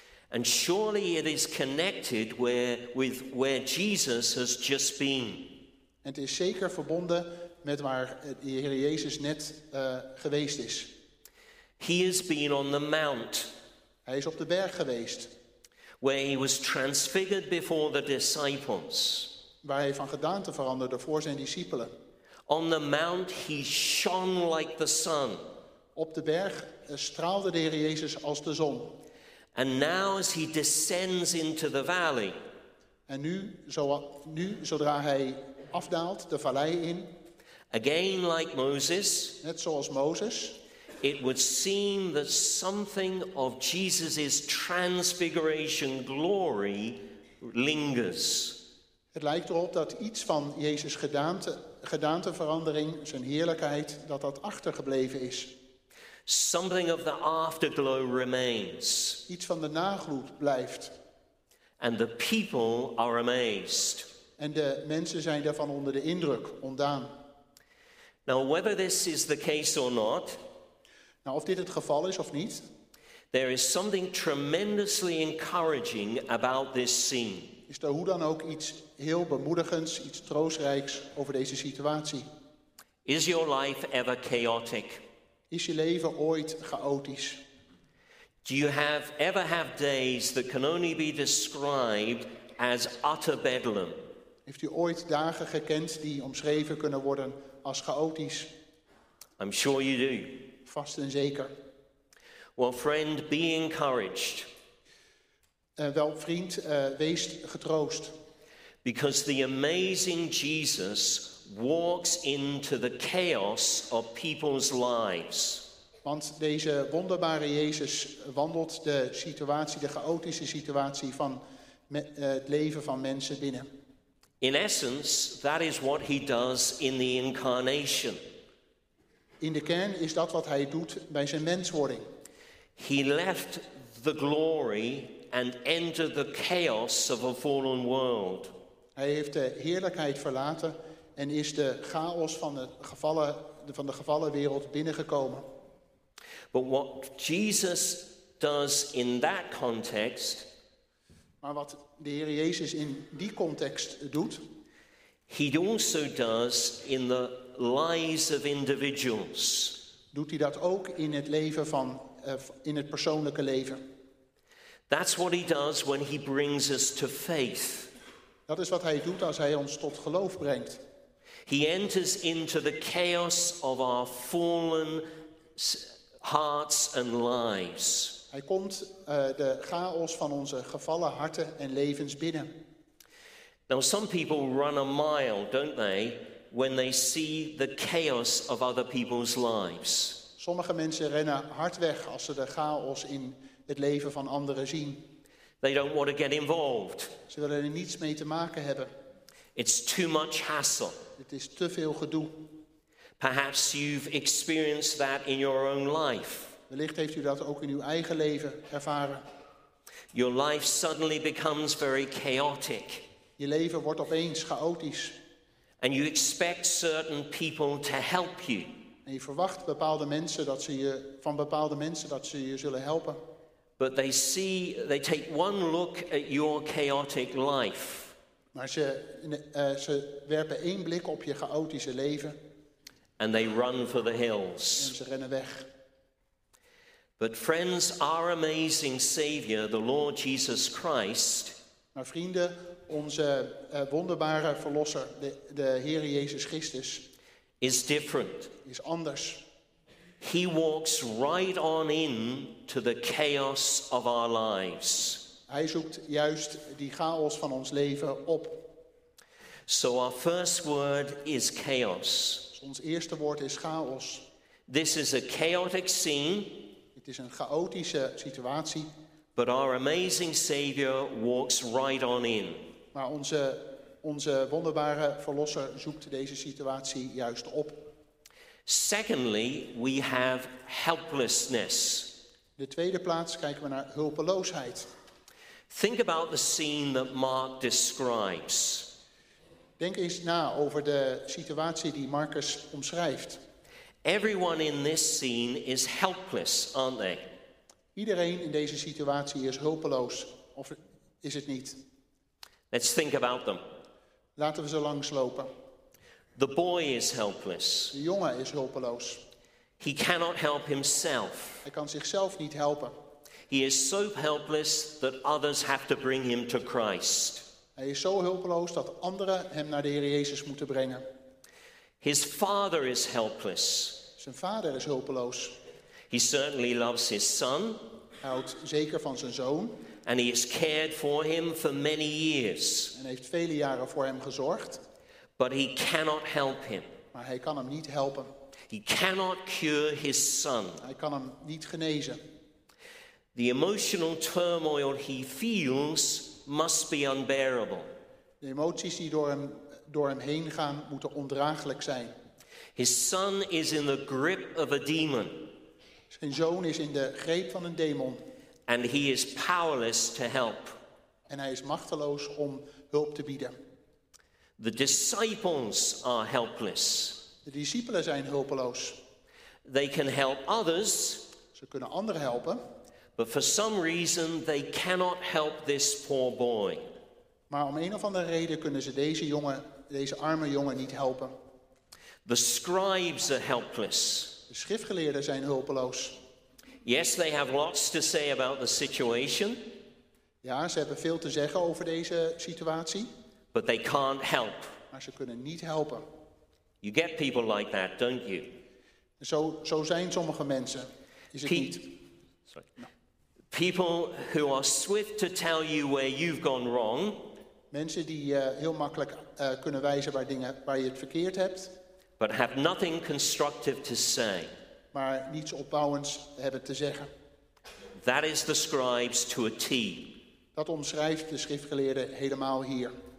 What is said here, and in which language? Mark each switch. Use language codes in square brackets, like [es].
[en] And surely it is connected with where Jesus has just been. [nl] En het is zeker verbonden met waar de Heer Jezus net geweest is. [en] He has been on the mount. [nl] Hij is op de berg geweest. [en] Where he was transfigured before the disciples. [nl] Waar hij van gedaante veranderde voor zijn discipelen. [en] On the mount he shone like the sun. [nl] Op de berg straalde de Heer Jezus als de zon. [en] And now as he descends into the valley. [nl] En nu zodra hij afdaalt de vallei in. [en] Again like Moses. [nl] Net zoals Mozes. [en] It would seem that something of Jesus' transfiguration glory lingers. [nl] Het lijkt erop dat iets van Jezus gedaanteverandering, zijn heerlijkheid, dat achtergebleven is. [en] Something of the afterglow remains. [nl] Iets van de nagloed blijft. [en] And the people are amazed. [nl] En de mensen zijn daarvan onder de indruk, ontdaan. [en] Now whether this is the case or not. [nl] Nou, of dit het geval is of niet. [en] There is something tremendously encouraging about this scene. [nl] Is er hoe dan ook iets heel bemoedigends, iets troostrijks over deze situatie? [en] Is your life ever chaotic? [nl] Is je leven ooit chaotisch? [en] Do you ever have days that can only be described as utter bedlam? [nl] Heeft u ooit dagen gekend die omschreven kunnen worden als chaotisch? [en] I'm sure you do. [nl] Vast en zeker. [en] Well, friend, be encouraged. [nl] Wel, vriend, wees getroost. [en] Because the amazing Jesus walks into the chaos of people's lives. [nl] Want deze wonderbare Jezus wandelt de situatie, de chaotische situatie van het leven van mensen binnen. [en] In essence, that is what he does in the incarnation. [nl] In de kern is dat wat hij doet bij zijn menswording. [en] He left the glory and entered the chaos of a fallen world. [nl] Hij heeft de heerlijkheid verlaten en is de chaos van de gevallen wereld binnengekomen. [en] But what Jesus does in that context, [nl] maar wat de Heer Jezus in die context doet, [en] he also does in the lives of individuals. [nl] Doet hij dat ook in het leven van in het persoonlijke leven? [en] That's what he does when he brings us to faith. [nl] Dat is wat hij doet als hij ons tot geloof brengt. [en] He enters into the chaos of our fallen hearts and lives. [nl] Hij komt de chaos van onze gevallen harten en levens binnen. [en] Now some people run a mile, don't they, when they see the chaos of other people's lives. [nl] Sommige mensen rennen hard weg als ze de chaos in het leven van anderen zien. [en] They don't want to get involved. [nl] Ze willen er niets mee te maken hebben. [en] It's too much hassle. [nl] Het is te veel gedoe. [en] Perhaps you've experienced that in your own life. [nl] Wellicht heeft u dat ook in uw eigen leven ervaren. [en] Your life suddenly becomes very chaotic. [nl] Je leven wordt opeens chaotisch. [en] And you expect certain people to help you. [nl] En je verwacht bepaalde mensen dat ze je van bepaalde mensen dat ze je zullen helpen. [en] But they take one look at your chaotic life. [nl] Maar ze werpen één blik op je chaotische leven. [en] And they run for the hills. [nl] En ze rennen weg. [en] But friends, our amazing Savior, the Lord Jesus Christ. [nl] Maar vrienden, onze wonderbare verlosser, de Heer Jezus Christus, [en] is different. [nl] Is anders. [en] He walks right on in to the chaos of our lives. [nl] Hij zoekt juist die chaos van ons leven op. [en] So our first word is chaos. [nl] Dus ons eerste woord is chaos. [en] This is a chaotic scene. [nl] Het is een chaotische situatie. [en] But our amazing Savior walks right on in. [nl] Maar onze wonderbare verlosser zoekt deze situatie juist op. [en] Secondly, we have helplessness. [nl] De tweede plaats kijken we naar hulpeloosheid. [en] Think about the scene that Mark describes. [nl] Denk eens na over de situatie die Marcus omschrijft. [en] Everyone in this scene is helpless, aren't they? [nl] Iedereen in deze situatie is hulpeloos, of is het niet? [en] Let's think about them. [nl] Laten we ze langslopen. [en] The boy is helpless. [nl] De jongen is hulpeloos. [en] He cannot help himself. [nl] Hij kan zichzelf niet helpen. [en] He is so helpless that others have to bring him to Christ. [nl] Hij is zo hulpeloos dat anderen hem naar de Heer Jezus moeten brengen. [en] His father is helpless. [nl] Zijn vader is hulpeloos. [en] He certainly loves his son. [nl] Hij houdt zeker van zijn zoon. [en] And he has cared for him for many years. [nl] En heeft vele jaren voor hem gezorgd. [en] But he cannot help him. [nl] Maar hij kan hem niet helpen. [en] He cannot cure his son. [nl] Hij kan hem niet genezen. [en] The emotional turmoil he feels must be unbearable. [nl] De emoties die door hem heen gaan moeten ondraaglijk zijn. [en] His son is in the grip of a demon. [nl] Zijn zoon is in de greep van een demon. [en] And he is powerless to help. [nl] En hij is machteloos om hulp te bieden. [en] The disciples are helpless. [nl] De discipelen zijn hulpeloos. [en] They can help others. [nl] Ze kunnen anderen helpen. [en] But for some reason they cannot help this poor boy. [nl] Maar om een of andere reden kunnen ze deze arme jongen niet helpen. [en] The scribes are helpless. [nl] De schriftgeleerden zijn hulpeloos. [en] Yes, they have lots to say about the situation. [nl] Ja, ze hebben veel te zeggen over deze situatie. [en] But they can't help. [nl] Maar ze kunnen niet helpen. [en] You get people like that, don't you? [nl] Zo zijn sommige mensen. Is het niet? [en] Sorry. People who are swift to tell you where you've gone wrong. [nl] Mensen die heel makkelijk kunnen wijzen waar je het verkeerd hebt. [en] But have nothing constructive to say. [nl] Maar niets opbouwends hebben te zeggen. [en] That is the scribes to a T. [nl] Dat omschrijft de schriftgeleerde helemaal hier.